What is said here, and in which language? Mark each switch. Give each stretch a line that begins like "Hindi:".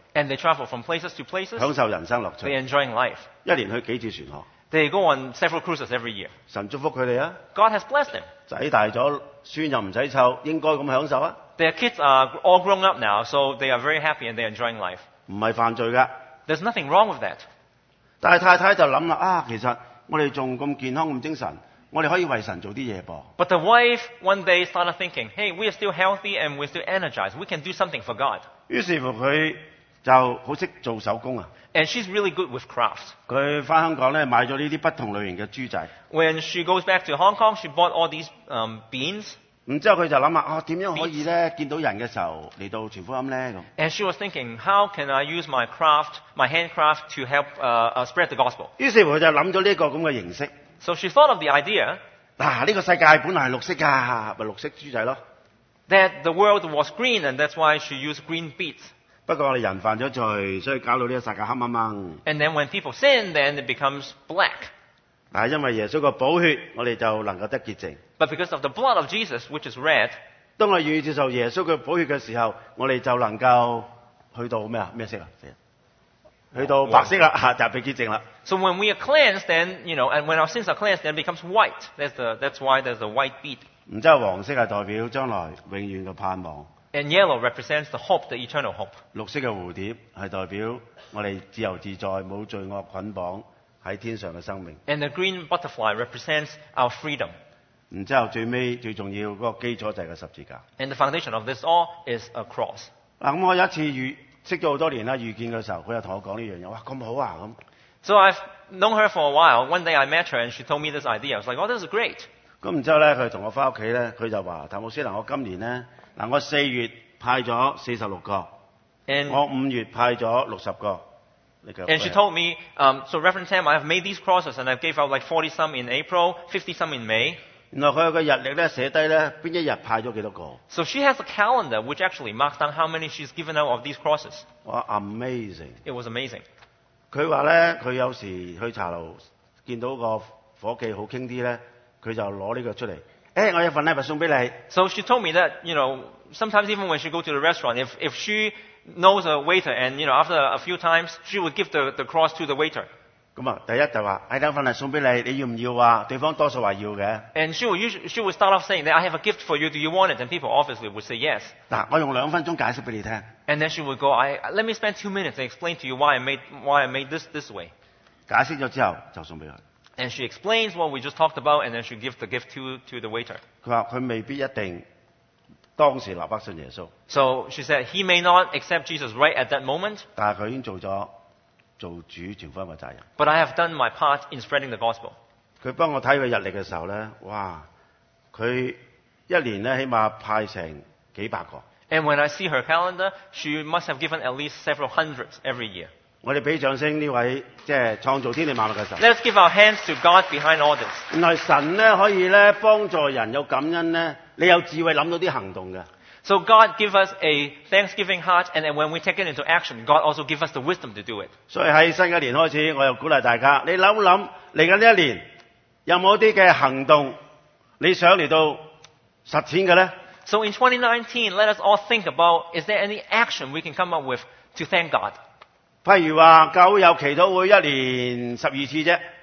English: And they travel from places to places.
Cantonese: 享受人生樂趣。
English: They enjoying life.
Cantonese: 一年去幾次船學。
English: They go on several cruises every year.
Cantonese: 神祝福佢哋啊。
English: God has blessed them.
Cantonese: 仔大咗，孫又唔使湊，應該咁享受啊。
English: Their kids are all grown up now, so they are very happy and they are enjoying life.
Cantonese: 唔係犯罪噶。
English: There's nothing wrong with that.
Cantonese: 但係太太就諗啦，啊，其實我哋仲咁健康咁精神。我哋可以為神做啲嘢噃。
English: But the wife one day started thinking, "Hey, we are still healthy and we're still energized. We can do something for God."
Cantonese: 於是乎佢就好識做手工啊。
English: And she's really good with crafts.
Cantonese: 佢翻香港咧，買咗呢啲不同類型嘅豬仔。
English: When she goes back to Hong Kong, she bought all these beans.
Cantonese: 然之後佢就諗啊，點樣可以咧見到人嘅時候嚟到傳福音咧咁。
English: And she was thinking, "How can I use my craft, my handcraft, to help spread the gospel?"
Cantonese: 於是乎佢就諗咗呢個咁嘅形式。
English: So she thought of the idea.
Cantonese: 嗱，呢個世界本來係綠色噶，咪綠色豬仔咯。
English: That the world was green, and that's why she used green beets.
Cantonese: 不過我哋人犯咗罪，所以搞到呢個世界黑掹掹。
English: And then when people sin, then it becomes black.
Cantonese: 嗱，因為耶穌個寶血，我哋就能夠得潔淨。
English: But because of the blood of Jesus, which is red.
Cantonese: 當我願意接受耶穌嘅寶血嘅時候，我哋就能夠去到咩啊？咩色啊？去到白色啦，就被洁净啦。
English: So when we are cleansed, then you know, and when our sins are cleansed, then it becomes white. That's why there's a white bead.
Cantonese: 然之后黄色系代表将来永远嘅盼望。
English: And yellow represents the hope, the eternal hope.
Cantonese: 绿色嘅蝴蝶系代表我哋自由自在，冇罪恶捆绑喺天上嘅生命。
English: And the green butterfly represents our freedom.
Cantonese: 然之后最尾最重要嗰个基础就系个十字架。
English: And the foundation of this all is a cross.
Cantonese: 嗱，咁我有一次与識咗好多年啦，遇見嘅時候，佢又同我講呢樣嘢，哇咁好啊咁。
English: So I've known her for a while. One day I met her and she told me this idea. I was like, "Oh, this is great."
Cantonese: 咁然之後咧，佢同我翻屋企咧，佢就話：譚牧師，嗱，我今年咧，嗱，我四月派咗46個，
English: and,
Cantonese: 我五月派咗60個。
English: And she told me, "So Reverend Sam, I have made these crosses and I gave out like 40 some in April, 50 some in May."
Cantonese: 原來佢有個日曆咧，寫低咧邊一日派咗幾多個。
English: So she has a calendar which actually marks down how many she's given out of these crosses. Wow, amazing! It was amazing.
Cantonese: 佢話咧，佢有時去茶樓見到個夥計好傾啲咧，佢就攞呢個出嚟。哎，我有份禮物送俾你。
English: So she told me that you know sometimes even when she go to the restaurant, if she knows a waiter and you know after a few times she would give the cross to the waiter.
Cantonese: 咁啊，第一就話，哎，等份嚟送俾你，你要唔要啊？對方多數話要嘅。
English: And she would start off saying that I have a gift for you. Do you want it? And people obviously would say yes.
Cantonese: 嗱，我用兩分鐘解釋俾你聽。
English: And then she would go, let me spend 2 minutes and explain to you why I made this way.
Cantonese: 解釋咗之後就送俾佢。
English: And she explains what we just talked about, and then she gives the gift to the waiter.
Cantonese: 佢話佢未必一定當時立刻信耶穌。
English: So she said he may not accept Jesus right at that moment.
Cantonese: 但係佢已經做咗。做主傳福音嘅責任。
English: But I have done my part in spreading the gospel.
Cantonese: 佢幫我睇佢日曆嘅時候咧，哇！佢一年咧起碼派成幾百個。
English: And when I see her calendar, she must have given at least several hundreds every year.
Cantonese: 我哋俾掌聲呢位即係創造天地萬物嘅神。
English: Let's give our hands to God behind all this.
Cantonese: 原來神咧可以咧幫助人有感恩咧，你有智慧諗到啲行動嘅。
English: So God give us a thanksgiving heart, and then when we take it into action, God also give us the wisdom to do it.
Cantonese: 所以喺新一年開始，我又鼓勵大家，你諗諗嚟緊呢一年有冇啲嘅行動你想嚟到實踐嘅咧
English: ？So in 2019, let us all think about: is there any action we can come up with to thank God?
Cantonese: 譬如話教會有祈禱會一年12次啫。